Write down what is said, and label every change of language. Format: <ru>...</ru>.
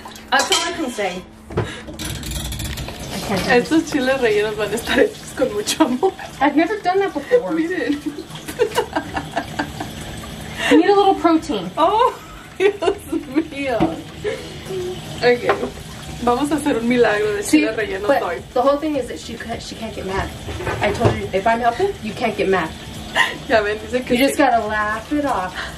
<en>That's all I can say. I can't do this.</en> <es>Estos chiles rellenos van a estar hechos con mucho amor.</es> <en>I've never done that before.</en> <es>Miren.</es> <en>I need a little protein.</en> <es>Oh, Dios mío. Okay. Vamos a hacer un milagro de chile relleno hoy.</es> <en>The whole thing is that she can't get mad. I told you, if I'm helping, you can't get mad.</en> <es>Ya ven, dice que</es> <en>you just gotta laugh it off.</en>